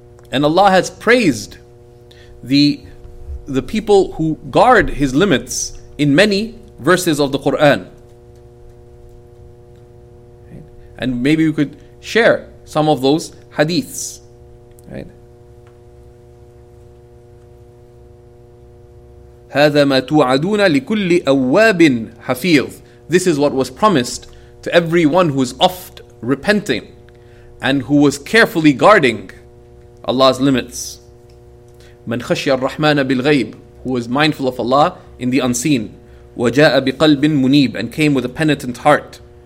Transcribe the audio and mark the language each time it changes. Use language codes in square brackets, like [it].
[en] And Allah has praised the people who guard His limits in many verses of the Quran. And maybe we could share some of those hadiths. [ar] هذا ما توعدون لكل أواب حفيظ. [en] This is what was promised to everyone who is oft repenting and who was carefully guarding Allah's limits. [ar] من خشي الرحمن بالغيب, [en] who was mindful of Allah in the unseen. [ar] وجاء بقلب منيب, [en] and came with a penitent heart.